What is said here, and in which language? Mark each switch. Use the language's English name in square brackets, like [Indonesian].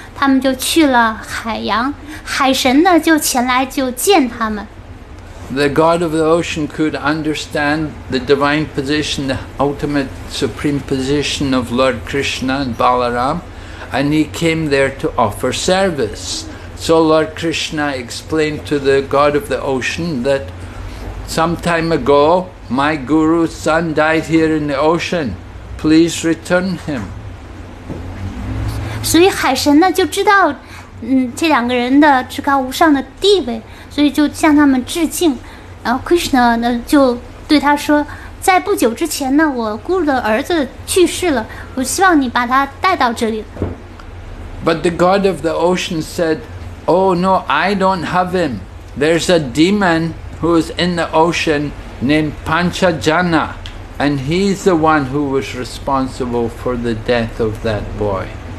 [Chinese] 他们就去了海洋，海神呢就前来就见他们。 [English] The god of the ocean could understand the divine position, the ultimate supreme position of Lord Krishna and Balaram, and he came there to offer service. So Lord Krishna explained to the god of the ocean that some time ago my guru's son died here in the ocean. Please return him. [Chinese] 所以海神呢就知道这两个人的至高无上的地位，所以就向他们致敬。然后Krishna呢就对他说，在不久之前呢，我guru的儿子去世了，我希望你把他带到这里。 [English] But the god of the ocean said, "Oh no, I don't have him. There's a demon who is in the ocean named Panchajana, and he's the one who was responsible for the death of that boy."